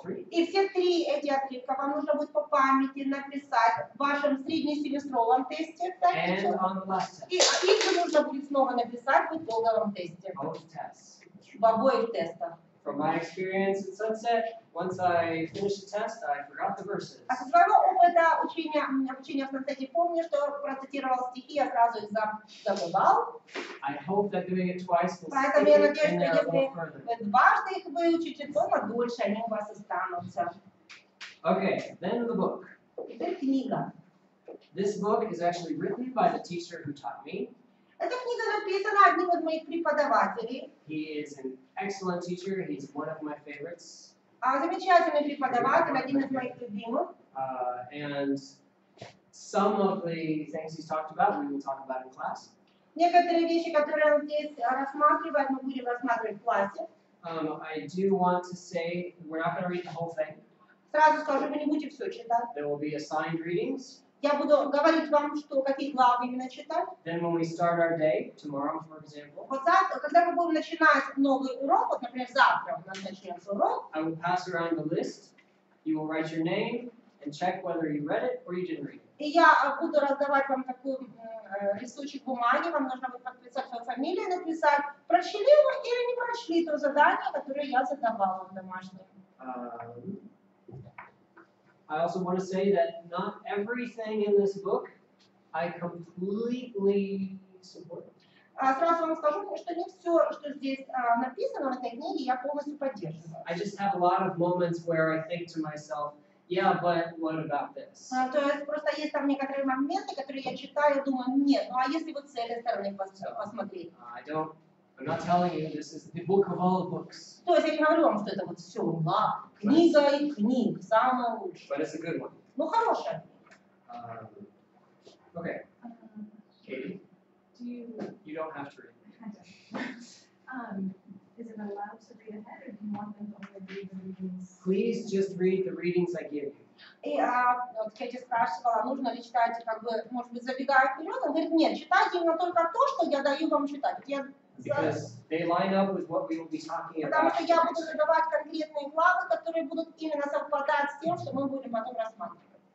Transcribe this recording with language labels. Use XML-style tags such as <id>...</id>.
<ru>И все три эти отрывка вам нужно будет по памяти написать в вашем среднесеместровом тесте. И их нужно будет снова написать в итоговом тесте. В обоих тестах.</ru> <en>From my experience at Sunset, once I finished the test, I forgot the verses.</en> <ru>А со своего опыта обучения в Сансете помню, что процитировал стихи, я сразу их забывал.</ru> <en>I hope that doing it twice will stick in there a little further.</en> <ru>Поэтому я надеюсь, что если вы дважды их выучите, то надольше они у вас останутся.</ru> <en>Okay, then the book.</en> <ru>Теперь книга.</ru> <en>This book is actually written by the teacher who taught me.</en> <ru>Эта книга написана одним из моих преподавателей.</ru> <en>He is an excellent teacher. He's one of my favorites.</en> <ru>Замечательный преподаватель, один из моих любимых.</ru> <en>And some of the things he's talked about, we will talk about in class.</en> <ru>Некоторые вещи, которые он здесь рассматривает, мы будем рассматривать в классе.</ru> <en>I do want to say we're not going to read the whole thing.</en> <ru>Сразу скажу, мы не будем все читать.</ru> <en>There will be assigned readings.</en> <ru>Я буду говорить вам, что какие главы именно читать.</ru> <en>Then when we start our day, tomorrow, for example.</en> <ru>Вот завтра, когда мы будем начинать новый урок, вот, например, завтра у нас начнется урок.</ru> <en>I will pass around the list. You will write your name and check whether you read it or you didn't read it.</en> <ru>И я буду раздавать вам такой листочек бумаги. Вам нужно будет подписать свою фамилию, написать, прочли вы или не прочли то задание, которое я задавала в домашнем.</ru> <en>I also want to say that not everything in this book I completely support.</en> <ru>Сразу вам скажу, что не все, что здесь написано в этой книге, я полностью поддерживаю.</ru> <en>I just have a lot of moments where I think to myself, yeah, but what about this?</en> <ru>То есть просто есть там некоторые моменты, которые я читаю, думаю, нет, ну а если вот с этой стороны посмотреть?</ru> <en>I'm not telling you this is the book of all books.</en> <ru>То есть я не говорю вам, что это вот все ума, книга и книг, самая лучшая.</ru> <en>But it's a good one.</en> <ru>Ну, хорошая.</ru> <en>Okay. Katie? You don't have to read. Is it allowed to read ahead, or do you want them to read the readings? Please just read the readings I give you.</en> <ru>И вот Кэти спрашивала, нужно ли читать, как бы, может быть, забегая вперед? Он говорит, нет, читайте именно только то, что я даю вам читать.</ru> <en>Because they line up with what we will be talking about.</en> <ru>Потому что я буду задавать конкретные главы, которые будут именно совпадать с тем, что мы будем потом рассматривать.</ru>